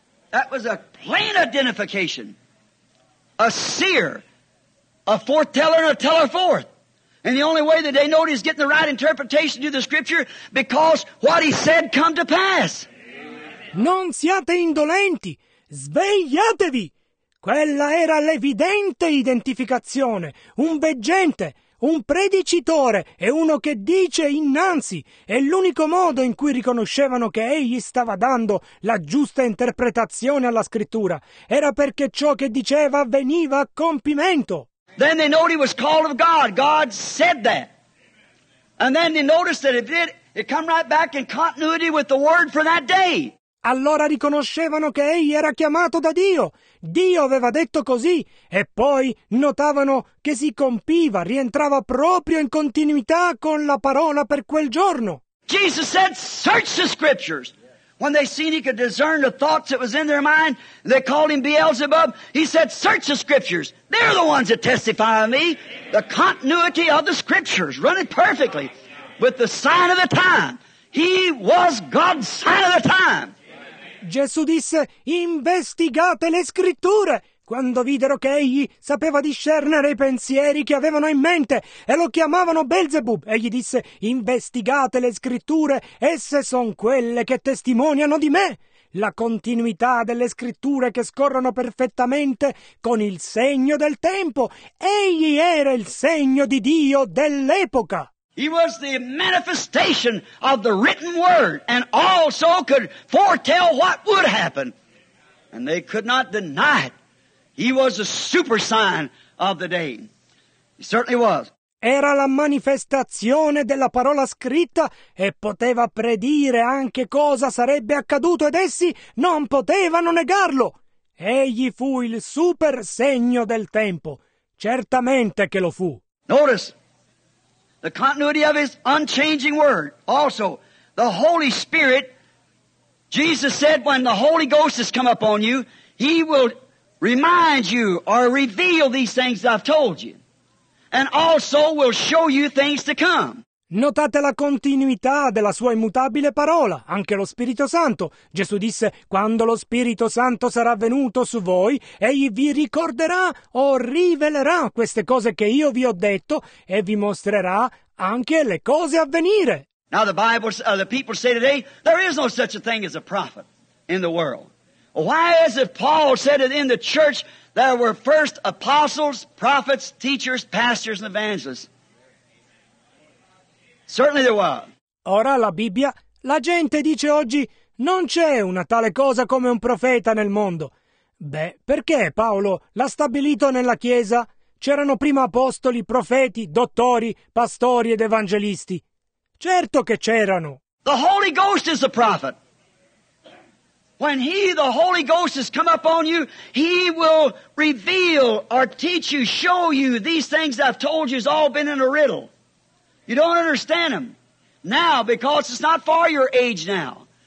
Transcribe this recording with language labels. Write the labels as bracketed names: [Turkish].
[English] That was a plain identification. A seer. A foreteller and a teller forth. And the only way that they know he's getting the right interpretation to the scripture because what he said come to pass. [Italian] Non siate indolenti. Svegliatevi! Quella era l'evidente identificazione. Un veggente. Un predicitore è uno che dice innanzi, è l'unico modo in cui riconoscevano che egli stava dando la giusta interpretazione alla scrittura. Era perché ciò che diceva veniva a compimento. [English] Then they knowed he was called of God. God said that. And then they noticed that it did, it come right back in continuity with the word for that day. [Italian] Allora riconoscevano che egli era chiamato da Dio. Dio aveva detto così. E poi notavano che si compiva, rientrava proprio in continuità con la parola per quel giorno. [English] Jesus said, search the scriptures. When they seen he could discern the thoughts that was in their mind, they called him Beelzebub. He said, search the scriptures. They're the ones that testify of me. The continuity of the scriptures running perfectly with the sign of the time. He was God's sign of the time. [Italian] Gesù disse, investigate le scritture. Quando videro che egli sapeva discernere i pensieri che avevano in mente e lo chiamavano Beelzebub, egli disse, investigate le scritture, esse sono quelle che testimoniano di me. La continuità delle scritture che scorrono perfettamente con il segno del tempo. Egli era il segno di Dio dell'epoca. [English] He was the manifestation of the written word and also could foretell what would happen. And they could not deny it. He was a super sign of the day. He certainly was. [Italian] Era la manifestazione della parola scritta e poteva predire anche cosa sarebbe accaduto ed essi non potevano negarlo. Egli fu il super segno del tempo. Certamente che lo fu. [English] Notice the continuity of his unchanging word. Also, the Holy Spirit, Jesus said, when the Holy Ghost has come upon you, he will remind you or reveal these things that I've told you, and also will show you things to come. [Italian] Notate la continuità della sua immutabile parola, anche lo Spirito Santo. Gesù disse, quando lo Spirito Santo sarà venuto su voi, egli vi ricorderà o rivelerà queste cose che io vi ho detto e vi mostrerà anche le cose a venire. [English] Now the Bible, the people say today, there is no such a thing as a prophet in the world. Why is it Paul said it in the church, there were first apostles, prophets, teachers, pastors and evangelists? Certainly there was. [Italian] Ora la Bibbia, la gente dice oggi, non c'è una tale cosa come un profeta nel mondo. Beh, perché Paolo l'ha stabilito nella Chiesa? C'erano prima apostoli, profeti, dottori, pastori ed evangelisti. Certo che c'erano. [English] The Holy Ghost is a prophet. When he, the Holy Ghost, has come upon you, he will reveal or teach you, show you these things I've told you has all been in a riddle. You don't understand them now because it's not for your age now.